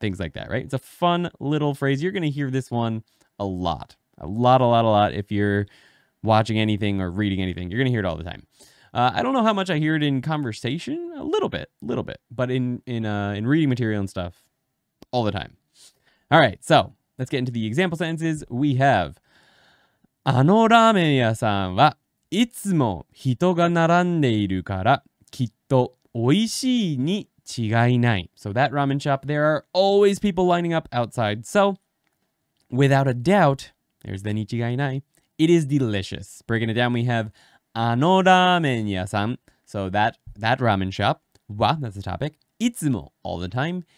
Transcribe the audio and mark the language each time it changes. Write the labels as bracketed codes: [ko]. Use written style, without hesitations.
[en] Things like that, right? It's a fun little phrase. You're going to hear this one a lot. A lot, a lot, a lot. If you're watching anything or reading anything, you're going to hear it all the time. I don't know how much I hear it in conversation. A little bit, a little bit. But in reading material and stuff, all the time. All right, so let's get into the example sentences. We have, [ja] あのラーメン屋さんはいつも人が並んでいるからきっとおいしいに違いない。 [en] So that ramen shop, there are always people lining up outside. So, without a doubt, there's the に違いない. It is delicious. Breaking it down, we have [ja] あのラーメン屋さん. [en] So that ramen shop, は, that's the topic, [ja] いつも, [en] all the time,